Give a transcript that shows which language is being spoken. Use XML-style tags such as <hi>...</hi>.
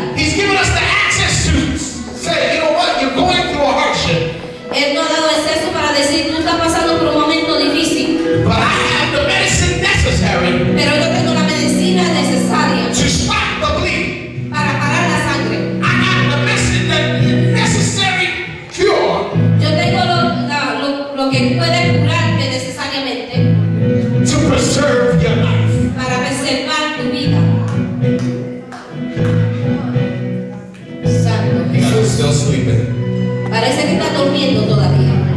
<en>He's given us the access to say, you know what? You're going through a hardship.</en> <es>Él nos ha dado el acceso para decir, tú estás pasando por un momento difícil.</es> <en>But I have the medicine necessary.</en> <es>Pero yo tengo la medicina necesaria.</es> <en>To stop the bleeding.</en> <es>Para parar la sangre.</es> <en>I have the medicine that necessary cure.</en> <es>Yo tengo lo que puede curarte necesariamente.</es> <en>To preserve your life.</en> <es>Para preservar tu vida. Santo Jesús.</es> <en>You're still sleeping.</en> <es>Parece que está durmiendo todavía.</es>